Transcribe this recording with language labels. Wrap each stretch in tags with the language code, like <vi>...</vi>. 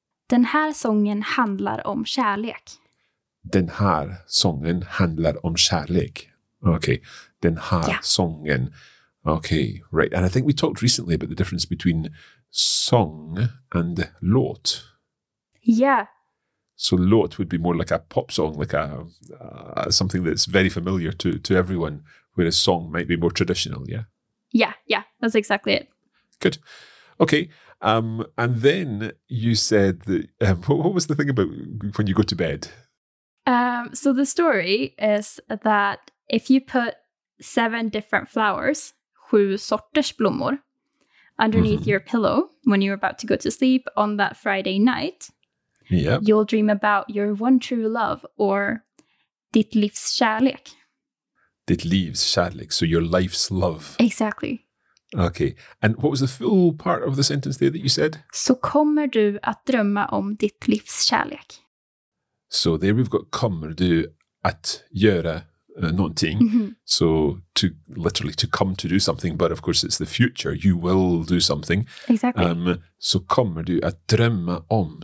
<sv>Den här sången handlar om kärlek. den här sången handlar om kärlek.</sv> <en>Okay,</en> <sv>den här sången.</sv> <en>Okay, right. And I think we talked recently about the difference between song and låt. Yeah. So låt would be more like a pop song, like a something that's very familiar to everyone, whereas song might be more traditional, yeah? Yeah, yeah, that's exactly it. Good. Okay, and then you said, what was the thing about when you go to bed? So the story is that if you put seven different flowers,</en> <sv>sju sorters blommor,</sv> <en>underneath mm-hmm. your pillow when you're about to go to sleep on that Friday night, yep. you'll dream about your one true love or</en> <sv>ditt livs kärlek. Ditt livs kärlek,</sv> <en>so your life's love. Exactly. Okay, and what was the full part of the sentence there that you said?</en> <sv>Så kommer du att drömma om ditt livs kärlek.</sv> <en>So there we've got</en> <sv>kommer du att göra någonting.</sv> <en>Mm-hmm. So to literally to come to do something, but of course it's the future. You will do something. Exactly.</en> <sv>Så kommer du att drömma om.</sv>